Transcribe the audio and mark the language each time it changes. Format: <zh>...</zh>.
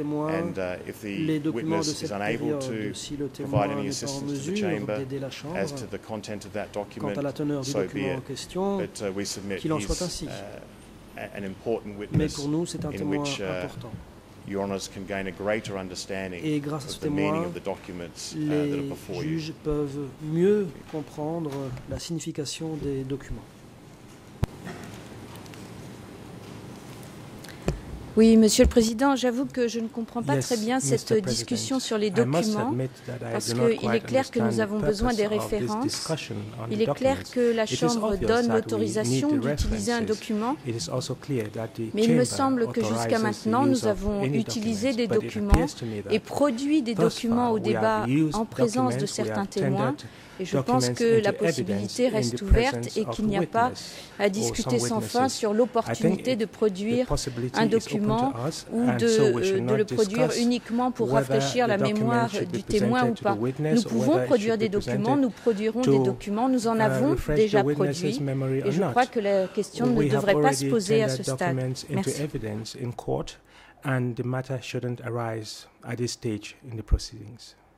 <en>And if the witness is unable to provide any assistance to the chamber as to the content of that document, so be it. But we submit he's an important witness in which Your Honours can gain a greater understanding</en> <fr>et grâce</fr> <en>of the meaning of the documents</en> <fr>les</fr> <en>that are before you.</en> <fr>Juges peuvent mieux comprendre la signification des documents. Oui, Monsieur le Président, j'avoue que je ne comprends pas</fr> <en>yes,</en> <fr>très bien cette discussion sur les documents, parce qu'il est clair que nous avons besoin des références. Il est clair que la Chambre donne l'autorisation d'utiliser un document, mais il me semble que jusqu'à maintenant, nous avons utilisé des documents et produit des documents au débat en présence de certains témoins. Et je pense que la possibilité reste ouverte et qu'il n'y a pas à discuter sans fin sur l'opportunité de produire un document ou de le produire uniquement pour rafraîchir la mémoire du témoin ou pas. Nous pouvons produire des documents, nous produirons des documents, nous en avons déjà produit et je crois que la question ne devrait pas se poser à ce stade. Merci.</fr> <en>In court and the matter shouldn't arise at this stage in the proceedings.</en>